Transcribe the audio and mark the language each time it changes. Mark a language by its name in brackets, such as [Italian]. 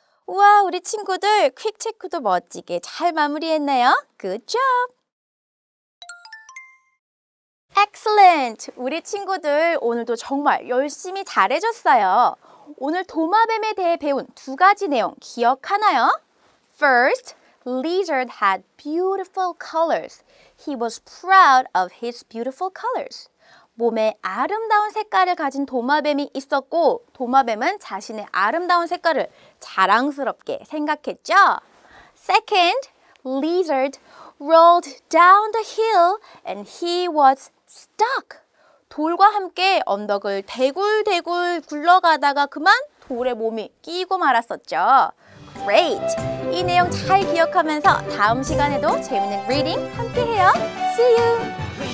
[Korean] 우와, 우리 친구들 퀵체크도 멋지게 잘 마무리했네요. [English] Good job! Excellent! [Korean] 우리 친구들 오늘도 정말 열심히 잘해줬어요. 오늘 도마뱀에 대해 배운 두 가지 내용 기억하나요? [English] First, lizard had beautiful colors. He was proud of his beautiful colors. [Korean] 몸에 아름다운 색깔을 가진 도마뱀이 있었고, 도마뱀은 자신의 아름다운 색깔을 자랑스럽게 생각했죠. [English] Second, lizard rolled down the hill and he was stuck. [Korean] 돌과 함께 언덕을 대굴대굴 굴러가다가 그만 돌에 몸이 끼고 말았었죠. [English] Great! [Korean] 이 내용 잘 기억하면서 다음 시간에도 재밌는 reading 함께해요. [English] See you!